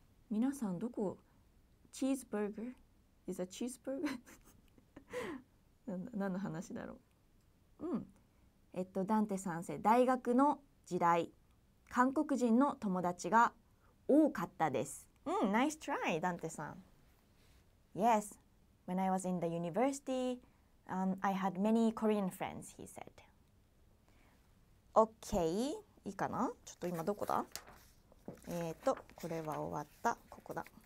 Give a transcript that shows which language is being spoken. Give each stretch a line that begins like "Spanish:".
Japanese: 皆さんどこ?
English: Cheeseburger? Is a cheeseburger?
Japanese: 何の話だろう? ダンテさんせ、大学の時代。韓国人の友達が多かったです。
English: Nice try, Dante-san. Yes, when I was in the university, I had many Korean friends, he said.
Japanese: Okay, いいかな?ちょっと今どこだ? これは終わった、ここだ。